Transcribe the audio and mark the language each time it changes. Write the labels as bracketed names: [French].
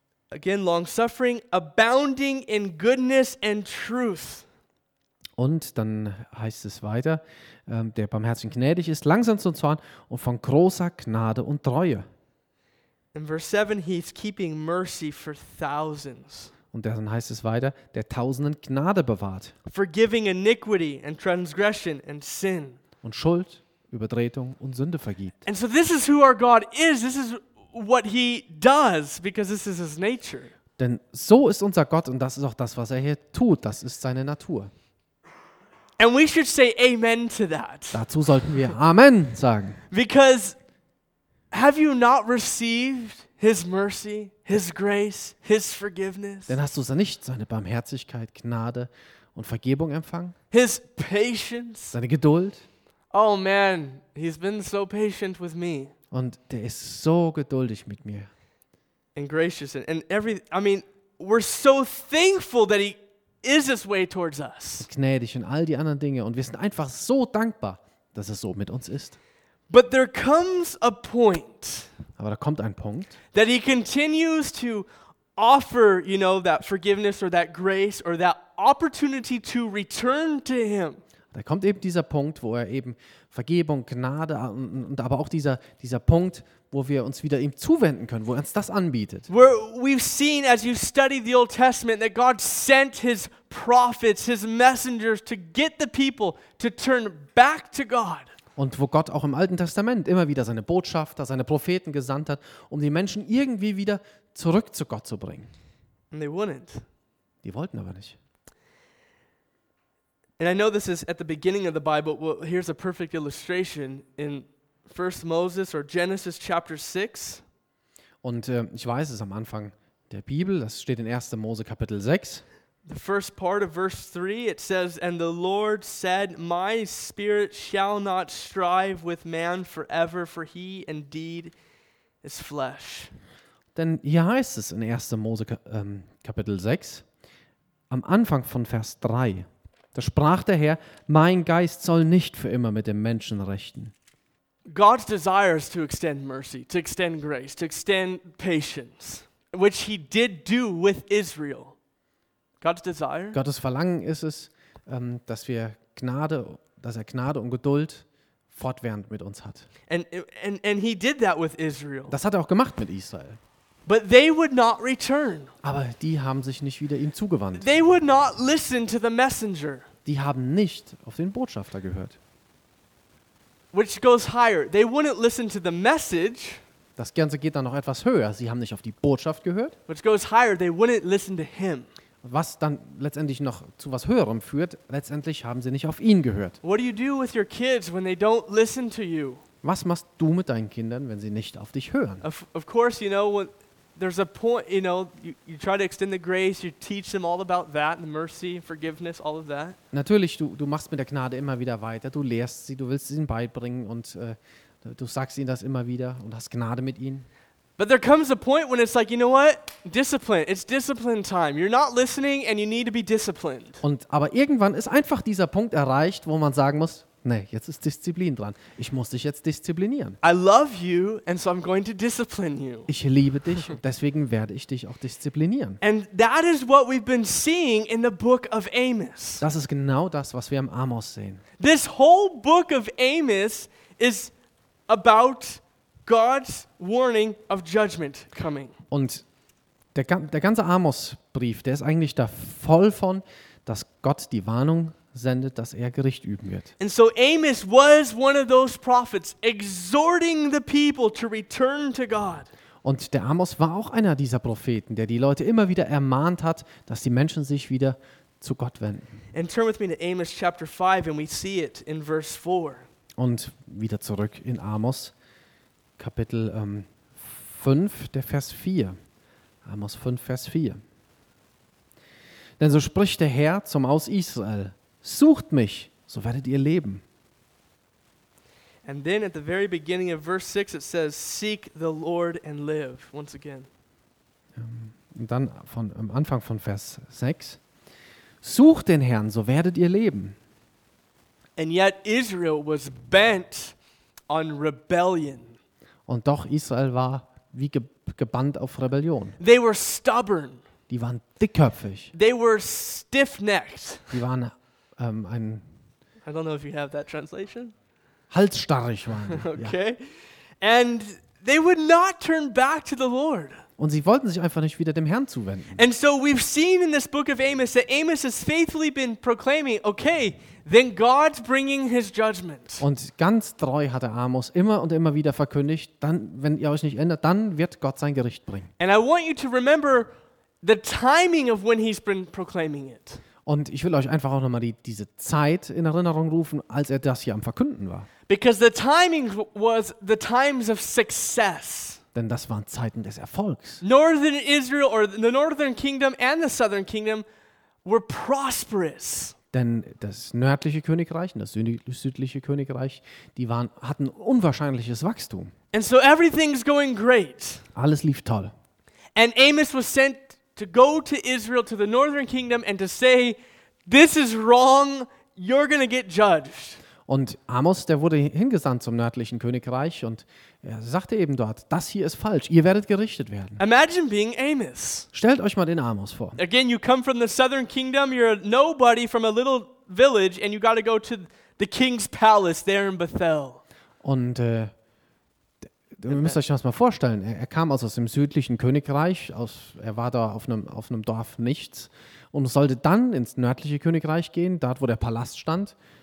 [English] Again, long suffering, abounding in goodness and truth. [German] Und dann heißt es weiter, der barmherzig und gnädig ist, langsam zum Zorn und von großer Gnade und Treue. [English] In verse 7, he's keeping mercy for thousands. [German] Und dann heißt es weiter, der tausenden Gnade bewahrt. [English] Forgiving iniquity and transgression and sin. [German] Und Schuld, Übertretung und Sünde vergibt. [English] And so this is who our God is. This is what he does because this is his nature. [German] Denn so ist unser Gott und das ist auch das, was er hier tut. Das ist seine Natur. [English] And we should say amen to that. [German] Dazu sollten wir Amen sagen. [English] Because have you not received his mercy, his grace, his forgiveness? [German] Denn hast du es nicht, seine Barmherzigkeit, Gnade und Vergebung empfangen? [English] His patience. [German] Seine Geduld. [English] Oh man, he's been so patient with me. [German] Und der ist so geduldig mit mir. [English] And gracious, and every, I mean, we're so thankful that he is this way towards us. [German] Gnädig und all die anderen Dinge, und wir sind einfach so dankbar, dass es so mit uns ist. [English] But there comes a point. [German] Aber da kommt ein Punkt. [English] That he continues to offer, you know, that forgiveness or that grace or that opportunity to return to him. [German] Da kommt eben dieser Punkt, wo er eben Vergebung, Gnade und aber auch dieser Punkt, wo wir uns wieder ihm zuwenden können, wo er uns das anbietet. [English] We've seen as you study the Old Testament that God sent his prophets, his messengers to get the people to turn back to God. [German] Und wo Gott auch im Alten Testament immer wieder seine Botschafter, seine Propheten gesandt hat, um die Menschen irgendwie wieder zurück zu Gott zu bringen. [English] And they wouldn't. [German] Die wollten aber nicht. [English] And I know this is at the beginning of the Bible. Well, here's a perfect illustration in 1 Moses or Genesis chapter 6. [German] Und ich weiß, es ist am Anfang der Bibel. Das steht in 1. Mose Kapitel 6. [English] The first part of verse 3, it says, "And the Lord said, My spirit shall not strive with man forever, for he indeed is flesh." [German] Denn hier heißt es in 1. Mose Kapitel 6, am Anfang von Vers 3, da sprach der Herr, mein Geist soll nicht für immer mit dem Menschen rechten. [English] God's desire is to extend mercy, to extend grace, to extend patience, which he did do with Israel. God's desire? [German] Gottes Verlangen ist es, dass wir Gnade, dass er Gnade und Geduld fortwährend mit uns hat. [English] And he did that with Israel. [German] Das hat er auch gemacht mit Israel. [English] But they would not return. [German] Aber die haben sich nicht wieder ihm zugewandt. [English] They would not listen to the messenger. [German] Die haben nicht auf den Botschafter gehört. [English] Which goes higher? They wouldn't listen to the message. [German] Das Ganze geht dann noch etwas höher. Sie haben nicht auf die Botschaft gehört. [English] Which goes higher? They wouldn't listen to him. [German] Was dann letztendlich noch zu was Höherem führt. Letztendlich haben sie nicht auf ihn gehört. [English] What do you do with your kids when they don't listen to you? [German] Was machst du mit deinen Kindern, wenn sie nicht auf dich hören? [English] Of course, you know when. There's a point, you know, you try to extend the grace, you teach them all about that, the mercy, forgiveness, all of that. [German] Natürlich, du machst mit der Gnade immer wieder weiter, du lehrst sie, du willst ihnen beibringen und du sagst ihnen das immer wieder und hast Gnade mit ihnen. [English] But there comes a point when it's like, you know what, discipline, it's discipline time. You're not listening and you need to be disciplined. [German] Und aber irgendwann ist einfach dieser Punkt erreicht, wo man sagen muss, nee, jetzt ist Disziplin dran. Ich muss dich jetzt disziplinieren. [English] I love you and so I'm going to discipline you. [German] Ich liebe dich und deswegen werde ich dich auch disziplinieren. [English] And that is what we've been seeing in the book of Amos. [German] Das ist genau das, was wir im Amos sehen. [English] This whole book of Amos is about God's warning of judgment coming. [German] Und der ganze Amos-Brief, der ist eigentlich da voll von, dass Gott die Warnung sendet, dass er Gericht üben wird. [English] And so Amos was one of those prophets exhorting the people to return to God. [German] Und der Amos war auch einer dieser Propheten, der die Leute immer wieder ermahnt hat, dass die Menschen sich wieder zu Gott wenden. [English] And turn with me to Amos chapter 5 and we see it in verse 4. [German] Und wieder zurück in Amos Kapitel 5, der Vers 4. Amos 5, Vers 4. Denn so spricht der Herr zum Aus Israel: Sucht mich, so werdet ihr leben. [English] And then at the very beginning of verse 6 it says seek the Lord and live once again. [German] Und dann von am Anfang von Vers 6. Sucht den Herrn, so werdet ihr leben. [English] And yet Israel was bent on rebellion. [German] Und doch Israel war wie gebannt auf Rebellion. [English] They were stubborn. [German] Die waren dickköpfig. [English] They were stiff-necked. [German] Die waren ein [English] I don't know if you have that translation. [German] Halsstarrig waren. [English] Okay. And they would not turn back to the Lord. [German] Und sie wollten sich einfach nicht wieder dem Herrn zuwenden. [English] And so we've seen in this book of Amos that Amos has faithfully been proclaiming, okay, then God's bringing his judgment. [German] Und ganz treu hat er Amos immer und immer wieder verkündigt, dann wenn ihr euch nicht ändert, dann wird Gott sein Gericht bringen. [English] And I want you to remember the timing of when he's been proclaiming it. [German] Und ich will euch einfach auch nochmal diese Zeit in Erinnerung rufen, als er das hier am Verkünden war. [English] Because the timing was the times of success. [German] Denn das waren Zeiten des Erfolgs. [English] Northern Israel or the northern kingdom and the southern kingdom were prosperous. [German] Denn das nördliche Königreich und das südliche Königreich, die waren, hatten unwahrscheinliches Wachstum. [English] And so everything's going great. [German] Alles lief toll. [English] And Amos was sent to go to Israel, to the northern kingdom, and to say, this is wrong, you're going to get judged. [German] Und Amos, der wurde hingesandt zum nördlichen Königreich und er sagte eben dort, das hier ist falsch, ihr werdet gerichtet werden. [English] Imagine being Amos. [German] Stellt euch mal den Amos vor. [English] Again, you come from the southern kingdom, you're a nobody from a little village and you got to go to the king's palace there in Bethel. [German] Und ihr müsst euch das mal vorstellen, er kam also aus dem südlichen Königreich, er war da auf einem Dorf nichts und sollte dann ins nördliche Königreich gehen, dort wo der Palast stand.